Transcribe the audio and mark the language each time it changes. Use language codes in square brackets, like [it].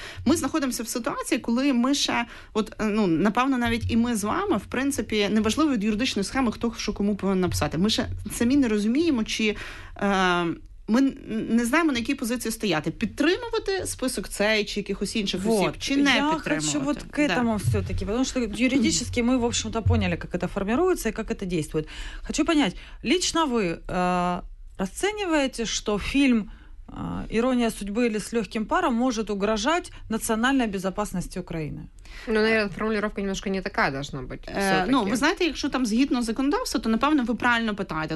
[uk] Ми знаходимося в ситуації, коли ми ще, напевно, навіть і ми з вами, в принципі, неважливо від юридичної схеми, хто що кому повинен написати. Ми ще самі не розуміємо, чи ми не знаємо, на якій позиції стояти. Підтримувати список цей, чи якихось інших осіб, чи не я підтримувати. [ru] Я хочу к этому все-таки, потому что юридически мы, в общем-то, поняли, как это формируется и как это действует. Хочу понять, лично вы расцениваете, что фильм «Ирония судьбы» или «С легким паром» может угрожать национальной безопасности Украины? Наверное, формулировка немножко не такая должна быть. [uk] Ви знаєте, якщо там згідно законодавства, то, напевно, ви правильно питаєте.